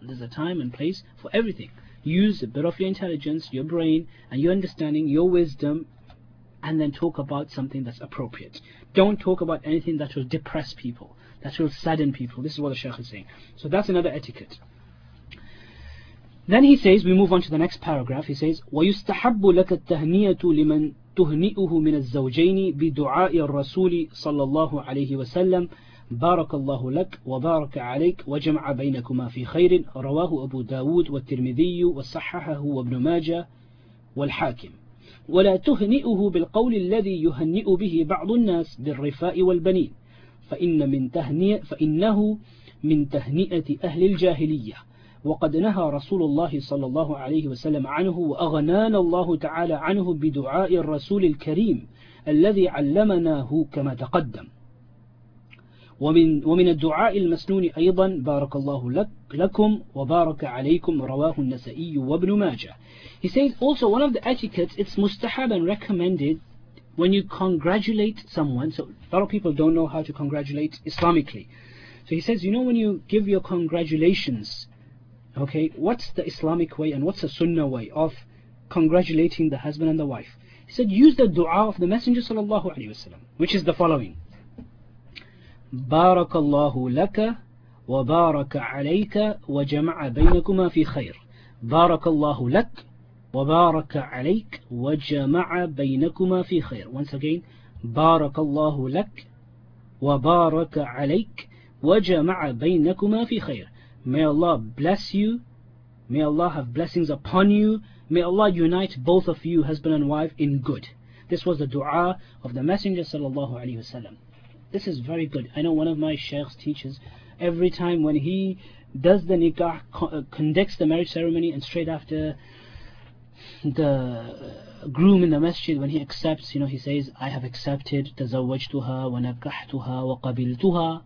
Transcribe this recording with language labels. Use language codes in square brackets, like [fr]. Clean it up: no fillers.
[en] There's a time and place for everything. Use a bit of your intelligence, your brain, and your understanding, your wisdom, and then talk about something that's appropriate. Don't talk about anything that will depress people, that will sadden people. This is what the Shaykh is saying. So that's another etiquette. Then he says, we move on to the next paragraph, he says, [ar] وَيُسْتَحَبُّ لَكَ التَّهْنِيَةُ لِمَنْ تُهْنِئُهُ مِنَ الزَّوْجَيْنِ بِدُعَاءِ الرَّسُولِ صَلَّى اللَّهُ عَلَيْهِ وَسَلَّمْ بارك الله لك وبارك عليك وجمع بينكما في خير رواه أبو داود والترمذي وصححه وابن ماجه والحاكم ولا تهنئه بالقول الذي يهنئ به بعض الناس بالرفاء والبنين فإنه من تهنئة أهل الجاهلية وقد نهى رسول الله صلى الله عليه وسلم عنه وأغنان الله تعالى عنه بدعاء الرسول الكريم الذي علمناه كما تقدم ومن الدعاء المسنون أيضا بارك الله لكم وبارك عليكم رواه النسائي وابن ماجه. [en] He says also one of the etiquettes, it's mustahab and recommended when you congratulate someone. So a lot of people don't know how to congratulate Islamically. So he says, when you give your congratulations, okay, what's the Islamic way and what's the Sunnah way of congratulating the husband and the wife? He said, use the dua of the Messenger sallallahu alaihi wasallam, which is the following. [ar] بارك الله لك وبارك عليك وجمع بينكما في خير بارك الله لك وبارك عليك وجمع بينكما في خير. [en] Once again, [ar] بارك الله لك وبارك عليك وجمع بينكما في خير. [en] May Allah bless you, may Allah have blessings upon you, may Allah unite both of you, husband and wife, in good. This was the dua of the Messenger sallallahu alaihi wasallam. This is very good. I know one of my sheikh's teachers, every time when he does the nikah, conducts the marriage ceremony, and straight after the groom in the masjid, when he accepts, he says, I have accepted, [ar] تزوجتها ونكحتها وقبلتها.